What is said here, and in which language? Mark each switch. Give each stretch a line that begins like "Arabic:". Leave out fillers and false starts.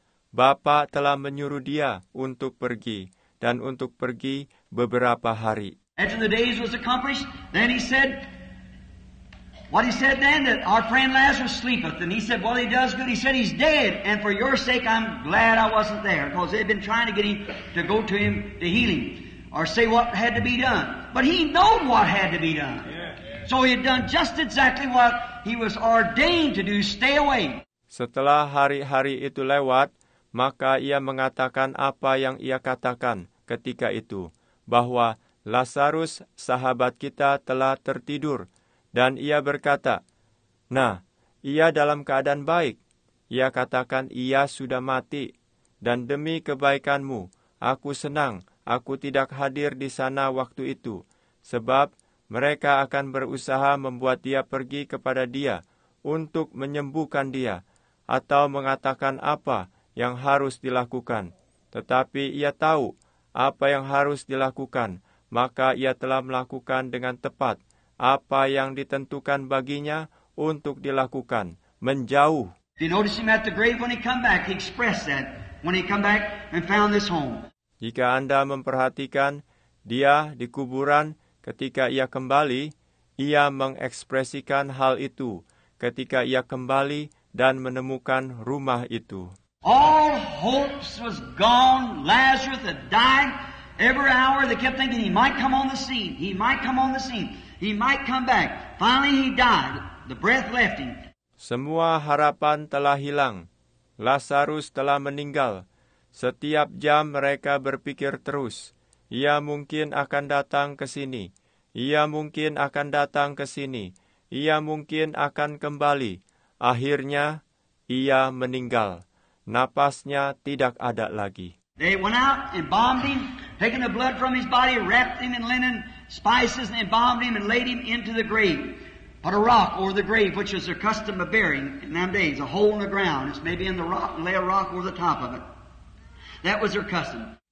Indonesian: Bapa telah menyuruh dia untuk pergi, dan untuk pergi beberapa hari."
English: After the days was accomplished, then he said, what he said then, that our friend Lazarus sleepeth. And he said, well, he does good. He said, he's dead. And for your sake, I'm glad I wasn't there. Because they've been trying to get him to go to him to heal him. Or say what had to be done. But he knew what had to be done. Yeah, yeah. So he had done just exactly what he was ordained to do, stay away.
Indonesian: Setelah hari-hari itu lewat, maka ia mengatakan apa yang ia katakan ketika itu, bahwa Lazarus, sahabat kita, telah tertidur. Dan ia berkata, nah, ia dalam keadaan baik. Ia katakan, ia sudah mati. Dan demi kebaikanmu, aku senang aku tidak hadir di sana waktu itu, sebab mereka akan berusaha membuat dia pergi kepada dia untuk menyembuhkan dia atau mengatakan apa yang harus dilakukan. Tetapi ia tahu apa yang harus dilakukan, maka ia telah melakukan dengan tepat apa yang ditentukan baginya untuk dilakukan, menjauh.
English: Do you notice him at the grave when he come back? He expressed that when he come back and found this home.
Indonesian: Jika Anda memperhatikan, dia di kuburan ketika ia kembali, ia mengekspresikan hal itu ketika ia kembali dan menemukan rumah itu.
English: All hopes was gone. Lazarus had died. Every hour they kept thinking he might come on the scene. He might come on the scene. He might come back. Finally he died. The breath left him.
Indonesian: Semua harapan telah hilang. Lazarus telah meninggal. Setiap jam mereka berpikir terus, ia mungkin akan datang ke sini, ia mungkin akan datang ke sini, ia mungkin akan kembali. Akhirnya, ia meninggal. Napasnya tidak ada lagi.
English: They went out and bombed him, taking the blood from his body, wrapped him in linen, spices, and bombed him and laid him into the grave. Put a rock over the grave, which was their custom of burying in them days, a hole in the ground. It's maybe in the rock, and lay a rock over the top of it. That was their custom.